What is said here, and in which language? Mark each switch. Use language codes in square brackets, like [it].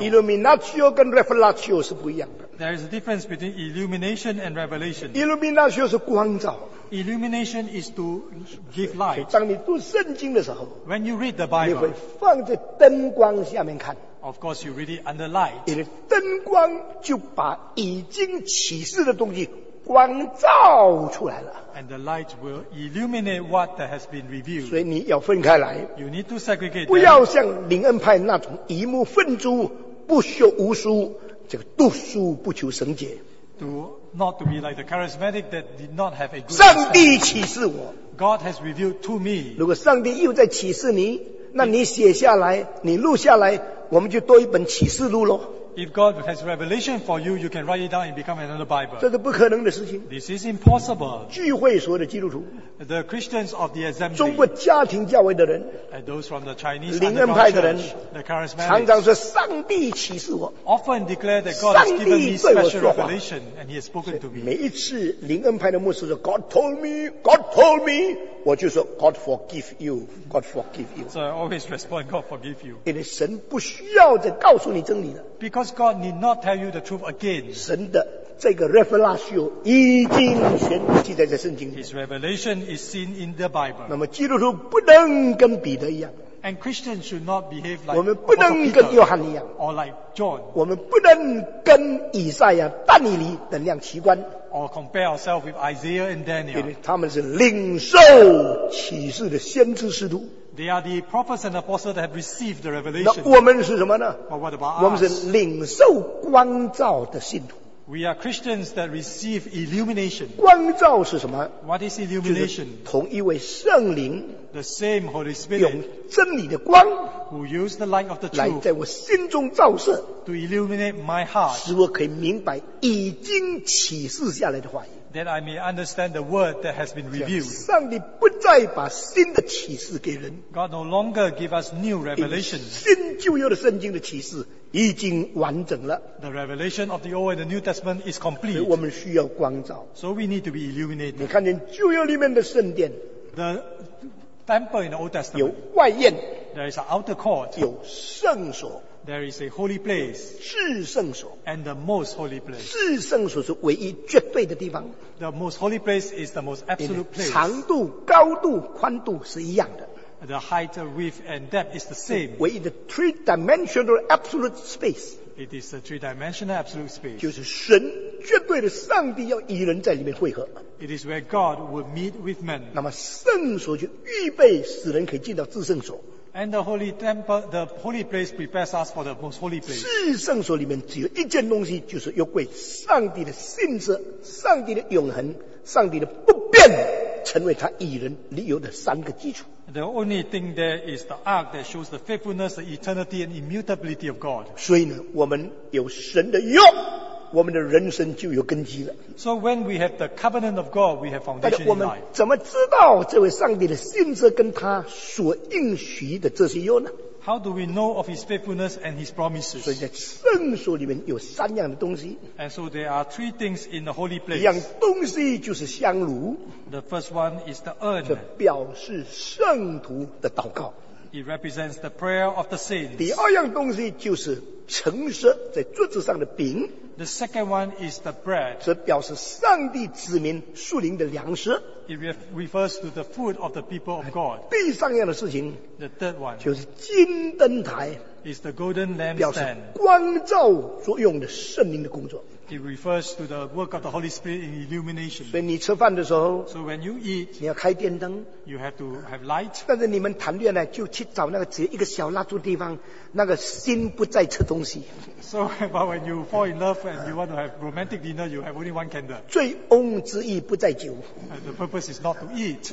[zh] Illumination 跟 Revelation 是不一样的。 [en] There is a difference between Illumination and Revelation. [zh] Illumination 是光照。 [en] Illumination is to give light. [zh] 当你读圣经的时候， [en] When you read the Bible, [zh] 你会放在灯光下面看。 [en] Of course, you read it under light. [zh] 因为灯光就把已经启示的东西光照出来了。 [en] And the light will illuminate what that has been revealed. [zh] 所以你要分开来。 [en] You need to segregate. [zh] 不要像灵恩派那种一目分诸，不修无书，这个读书不求圣洁。 [en] Do not to be like the charismatic that did not have a good. [zh] 上帝启示我。 [en] God has revealed to me. [zh] 如果上帝又在启示你，那你写下来，你录下来，我们就多一本启示录咯。 [en] If God has revelation for you, you can write it down and become another Bible. [zh] 这是不可能的事情。 [en] This is impossible. [zh] 聚会所有的基督徒。 [en] The Christians of the assembly. [zh] 中国家庭教会的人。 [en] And those from the Chinese [zh] 灵恩派的人。 [en] The charismatic. [zh] 常常说上帝启示我。 [en] Often declare that God has given me special revelation and he has spoken to me. [zh] 每一次灵恩派的牧师说 [en] God told me, God told me, [zh] 我就说 [en] God forgive you, God forgive you. So I always respond, God forgive you. [zh] 因为神不需要再告诉你真理了。 [en] Because God need not tell you the truth again. [zh] 神的这个 revelation 已经全部记载在圣经里。 [en] His revelation is seen in the Bible. [zh] 那么基督徒不能跟彼得一样。 [en] And Christians should not behave like. [zh] 我们不能跟约翰一样。 [en] Or like John. [zh] 我们不能跟以赛亚、但以理等量奇观。 [en] Or compare ourselves with Isaiah and Daniel. [zh] 因为他们是领受启示的先知使徒。 [en] They are the prophets and apostles that have received the revelation. [zh] 那我们是什么呢？ [en] But what about us? [zh] 我们是领受光照的信徒。 [en] We are Christians that receive illumination. [zh] 光照是什么？ [en] What is illumination? [zh] 就是同一位圣灵。 [en] The same Holy Spirit. [zh] 用真理的光。 [en] Who use the light of the truth. [zh] 来在我心中照射。 [en] To illuminate my heart. [zh] 使我可以明白已经启示下来的话语。 [en] That I may understand the word that has been revealed. [zh] 上帝不再把新的启示给人。 [en] God no longer give us new revelations. [zh] 新旧约的圣经的启示已经完整了。 [en] The revelation of the Old and the New Testament is complete. [zh] 我们需要光照。 [en] So we need to be illuminated. [zh] 你看见旧约里面的圣殿。 [en] The temple in the Old Testament. [zh] 有外院。 [en] There is an outer court. [zh] 有圣所。 [en] There is a holy place, [zh] 至圣所 [en] and the most holy place. [zh] 至圣所是唯一绝对的地方。 [en] The most holy place is the most absolute place. [zh] 长度、高度、宽度是一样的。 [en] The height, width, and depth is the same. [zh] 唯一的 [en] three-dimensional absolute space. It is a three-dimensional absolute space. [zh] 就是神绝对的上帝要与人在里面会合。 [en] It is where God will meet with men. [zh] 那么圣所就预备使人可以进到至圣所。 [en] And the holy temple, the holy place prepares us for the most holy place. [zh] 至圣所里面只有一件东西，就是有为上帝的信实、上帝的永恒、上帝的不变，成为他与人立约的三个基础。 [en] The only thing there is the ark that shows the faithfulness, the eternity, and immutability of God. [zh] 所以呢，我们有神的约，我们的人生就有根基了。 [en] So when we have the covenant of God, we have foundation in life. [zh] 但我们怎么知道这位上帝的信实跟他所应许的这些约呢？ [en] How do we know of his faithfulness and his promises? [zh] 所以在圣所里面有三样的东西。 [en] And so there are three things in the holy place. [zh] 一样东西就是香炉。 [en] The first one is the urn. [zh] 这表示圣徒的祷告。 [en] It represents the prayer of the saints. [zh] 第二样东西就是陈设在桌子上的饼。 [en] The second one is the bread. [zh] 这表示上帝子民属灵的粮食。 [en] It refers to the food of the people of God. [zh] 第三样的事情。 [en] The third one. [zh] 就是金灯台。 [en] Is the golden lampstand. [zh] 表示光照作用的圣灵的工作。 [en] It refers to the work of the Holy Spirit in illumination. [zh] 所以你吃饭的时候。 [en] So when you eat. [zh] 你要开电灯。 [en] You have to have light. [zh] 但是你们谈恋爱就去找那个只有一个小蜡烛的地方，那个心不再吃东西。 [en] So, but when you fall in love and you want to have romantic dinner, you have only one candle. [zh] 醉翁之意不在酒。 [en] And the purpose is not to eat.